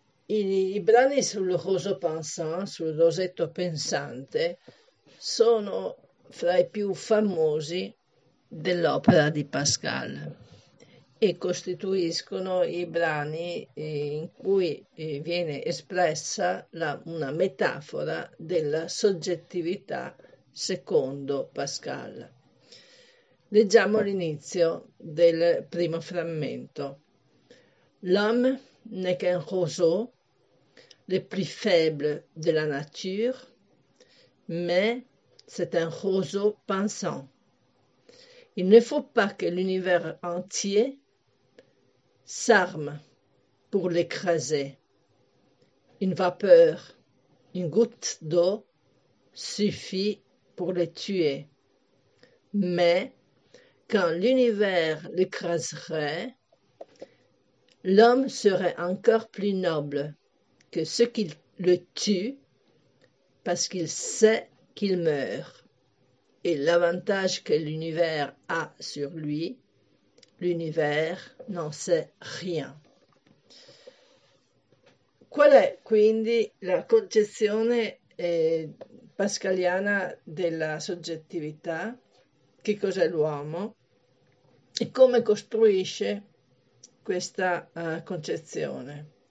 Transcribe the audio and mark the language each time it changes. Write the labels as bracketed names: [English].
[Italian] I brani sul Rousseau pensant, sul rosetto pensante, sono fra i più famosi dell'opera di Pascal e costituiscono i brani in cui viene espressa una metafora della soggettività secondo Pascal. Leggiamo l'inizio del primo frammento. [French] L'homme n'est qu'un roseau, le plus faible de la nature, mais c'est un roseau pensant. Il ne faut pas que l'univers entier s'arme pour l'écraser. Une vapeur, une goutte d'eau suffit pour le tuer. Mais quand l'univers l'écraserait, l'homme serait encore plus noble que ce qui le tue parce qu'il sait qu'il meurt. Et l'avantage que l'univers a sur lui, l'univers n'en sait rien. [Italian] Qual è quindi la concezione pascaliana della soggettività? Che cos'è l'uomo? E come costruisce questa concezione?